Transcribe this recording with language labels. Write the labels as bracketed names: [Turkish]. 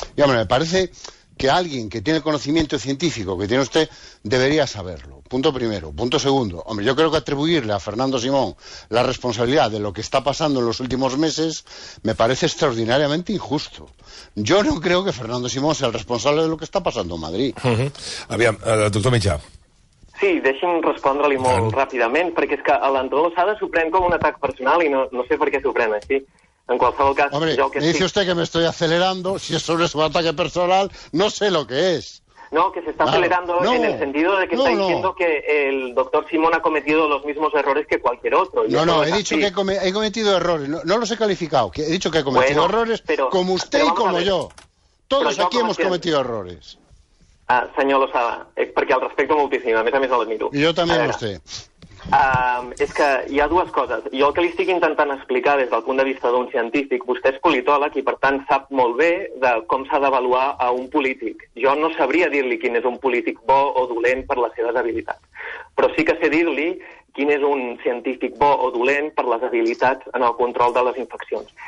[Spanish] Y hombre, me parece que alguien que tiene el conocimiento científico que tiene usted debería saberlo. Punto primero. Punto segundo. Hombre, yo creo que atribuirle a Fernando Simón la responsabilidad de lo que está pasando en los últimos meses me parece extraordinariamente injusto. Yo no creo que Fernando Simón sea el responsable de lo que está pasando en Madrid. Doctor Mitjà. [Catalan] Sí, deixi'm respondre-li molt ràpidament, perquè és que a l'Andorra Lozada s'ho pren com un atac personal i no sé per què s'ho pren així. En qualsevol cas, [Spanish] hombre, [Catalan] jo que [Spanish] me dice usted que me estoy acelerando, si es sobre su ataque personal, no sé lo que es. No, que se está acelerando en el sentido de que está diciendo que el doctor Simón ha cometido los mismos errores que cualquier otro. Dicho que he cometido errores, no los he calificado, he dicho que he cometido errores, pero como usted y como yo. Todos aquí hemos cometido errores. [Catalan] Ah, senyor Lozada, perquè al respecte moltíssim, a més a més l'admiro. Jo també ho sé. És que hi ha dues coses. Jo el que li estic intentant explicar des del punt de vista d'un científic, vostè és politòleg i per tant sap molt bé de com s'ha d'avaluar a un polític. Jo no sabria dir-li quin és un polític bo o dolent per les seves habilitats, però sí que sé dir-li quin és un científic bo o dolent per les habilitats en el control de les infeccions.